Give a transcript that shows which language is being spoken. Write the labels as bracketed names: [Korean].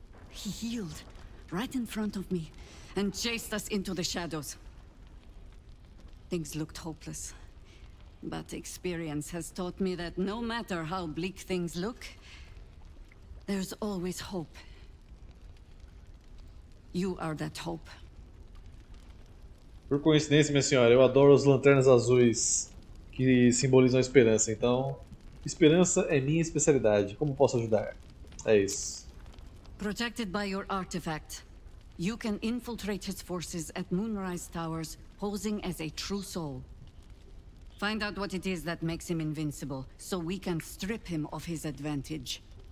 [English] He healed right in front of me and chased us into the shadows. Things looked hopeless, but experience has taught me that no matter how bleak things look, there's always hope. You are that hope. [Portuguese] Por coincidência, minha senhora, eu adoro as lanternas azuis que simbolizam a esperança, então esperança é minha especialidade. Como posso ajudar? É isso. [English] Protected by your artifact, you can infiltrate his forces at Moonrise Towers, posing as a true soul. Find out what it is that makes him invincible, so we can strip him of his advantage.